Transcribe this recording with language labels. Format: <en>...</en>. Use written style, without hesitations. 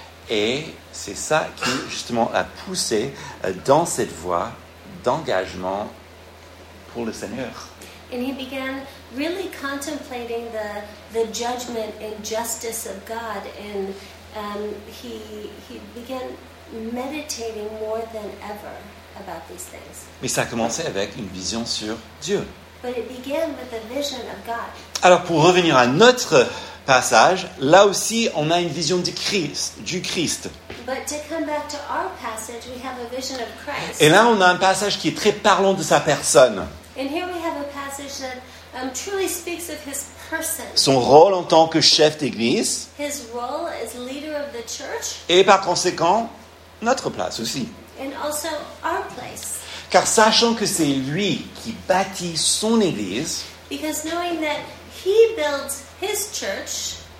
<fr>Et c'est ça qui, justement, a poussé dans cette voie d'engagement pour le Seigneur.</fr> <en>And he began really contemplating the judgment and justice of God, and he began meditating more than ever about these things.</en> <fr>Mais ça a commencé avec une vision sur Dieu.</fr> <en>But it began with a vision of God.</en> <fr>Alors pour revenir à notre passage, là aussi on a une vision du Christ.</fr> <en>But to come back to our passage, we have a vision of Christ.</en> <fr>Et là on a un passage qui est très parlant de sa personne.</fr> <en>And here we have a passage that truly speaks of his person.</en> <fr>Son rôle en tant que chef d'église.</fr> <en>His role as leader of the church.</en> <fr>Et par conséquent, notre place aussi.</fr> <en>And also our place.</en> <fr>Car sachant que c'est lui qui bâtit son église,</fr> <en>because knowing that he builds his church,</en>